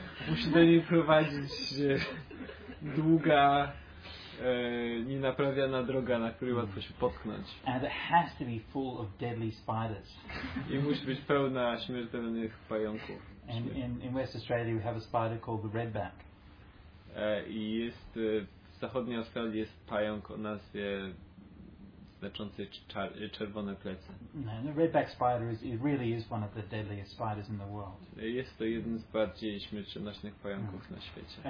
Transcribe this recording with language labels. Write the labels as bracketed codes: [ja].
[pl] Musi do niej prowadzić długa nienaprawiana droga, na której łatwo się potknąć. [en] And it has to be full of deadly spiders. [pl] I musi być pełna śmiertelnych pająków. [en] And in West Australia we have a spider called the redback. [pl] I jest w zachodniej Australii jest pająk o nazwie znaczącej czerwone plecy. [en] And the redback spider really is one of the deadliest spiders in the world. [pl] Jest to jeden z bardziej śmiertelnych pająków na świecie.